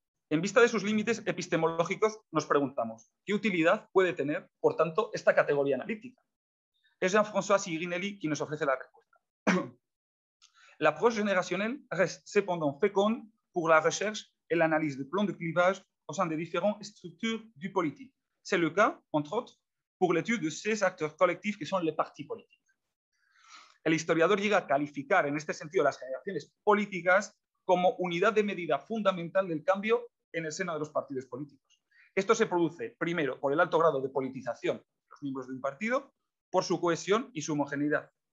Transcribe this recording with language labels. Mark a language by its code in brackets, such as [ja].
[es] En vista de sus límites epistemológicos, nos preguntamos, ¿qué utilidad puede tener, por tanto, esta categoría analítica? Es Jean-François Siguinelli quien nos ofrece la respuesta. [fr] L'approche générationnelle reste cependant féconde pour la recherche et l'analyse de plans de clivage au sein des différentes structures du politique. C'est le cas, entre autres, pour l'étude de ces acteurs collectifs que sont les partis politiques. [es] El historiador llega a calificar en este sentido las generaciones políticas como unidad de medida fundamental del cambio en el seno de los partidos políticos. Esto se produce, primero, por el alto grado de politización de los miembros de un partido, por su cohesión y su homogeneidad.